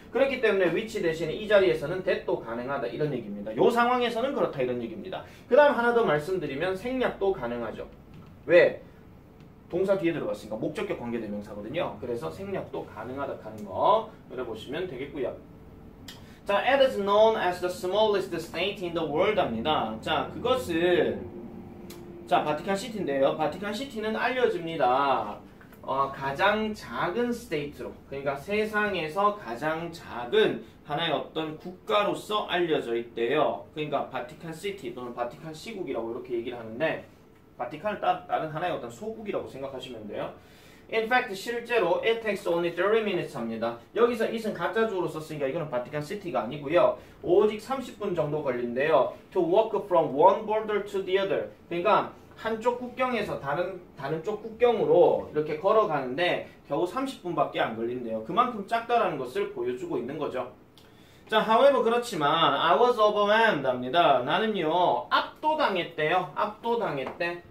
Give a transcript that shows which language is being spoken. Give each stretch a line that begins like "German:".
Korean: 그렇기 때문에 위치 대신에 이 자리에서는 that도 가능하다 이런 얘기입니다. 요 상황에서는 그렇다 이런 얘기입니다. 그다음 하나 더 말씀드리면 생략도 가능하죠. 왜? 동사 뒤에 들어갔으니까 목적격 관계대 명사거든요. 그래서 생략도 가능하다 하는 거 그려보시면 되겠고요.
English: 자, it is known as the smallest state in the world
Korean: 합니다. 자, 그것은 자, 바티칸 시티인데요. 바티칸 시티는 알려집니다. 가장 작은 스테이트로. 그러니까 세상에서 가장 작은 하나의 하나의 어떤 국가로서 알려져 있대요. 그러니까 바티칸 시티 또는 바티칸 시국이라고 이렇게 얘기를 하는데, 바티칸을 다른 하나의 어떤 소국이라고 생각하시면 돼요.
English: In fact,
Korean: 실제로
English: it takes only 30 minutes입니다.
Korean: 여기서 it은 가짜주어로 썼으니까 이거는 바티칸 시티가 아니고요. 오직 30분 정도 걸린대요.
English: To walk from one border to the other.
Korean: 그러니까 한쪽 국경에서 다른 쪽 국경으로 이렇게 걸어가는데 겨우 30분밖에 안 걸린대요. 그만큼 작다라는 것을 보여주고 있는 거죠. 자, however 그렇지만
English: I was overwhelmed
Korean: 합니다. 나는요, 압도당했대요. 압도당했대.